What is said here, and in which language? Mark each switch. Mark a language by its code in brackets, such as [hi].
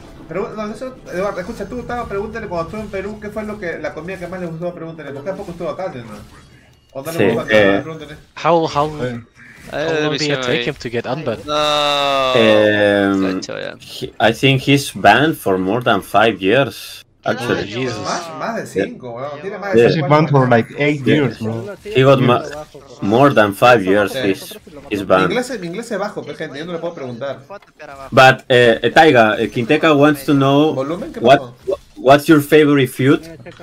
[es] Eduardo, escucha, tú estabas preguntando cuando estuve en Perú, ¿qué fue la comida que más le gustó? Pregúntale, porque tampoco estuvo acá, ¿no? Sí, [en] How long did it take him to get unbanned? No. I think he's banned for more than 5 years, actually. Jesus. He's banned for like 8 years, bro. He got more than 5 years, he's banned. [es] Mi inglés es bajo, gente, yo no le puedo preguntar. [en] But, Taiga, Quinteca wants to know, what's your favorite feud?